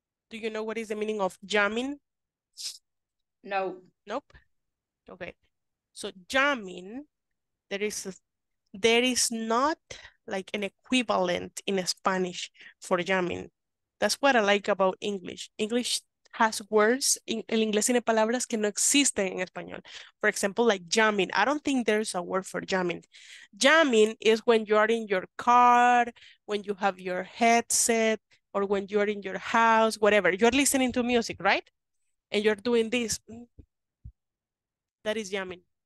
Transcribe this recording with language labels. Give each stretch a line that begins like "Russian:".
English: Do you know what is the meaning of jamming? No. Nope? Okay, so jamming, there is not like an equivalent in Spanish for jamming. That's what I like about English. English has words,
Spanish: el inglés tiene palabras que no existen en español.
English: For example, like jamming. I don't think there's a word for jamming. Jamming is when you are in your car, when you have your headset, or when you are in your house, whatever. You're listening to music, right? And you're doing this. That is jamming.